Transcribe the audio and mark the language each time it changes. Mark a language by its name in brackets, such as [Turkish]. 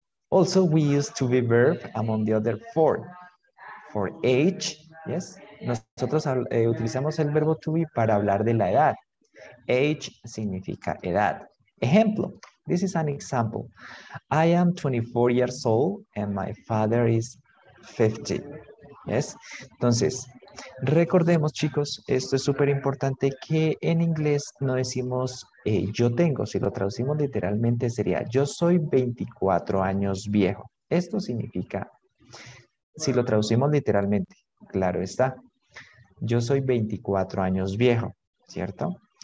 [English] Also, we use to be verb among the other four. For age, yes. [Spanish] Nosotros utilizamos el verbo to be para hablar de la edad. Age significa edad. Ejemplo. [English] This is an example. I am 24 years old and my father is 50. Yes. [Spanish] Entonces, recordemos, chicos, esto es súper importante que en inglés no decimos yo tengo. Si lo traducimos literalmente sería yo soy 24 años viejo. Esto significa, si lo traducimos literalmente, claro está, yo soy 24 años viejo, ¿cierto?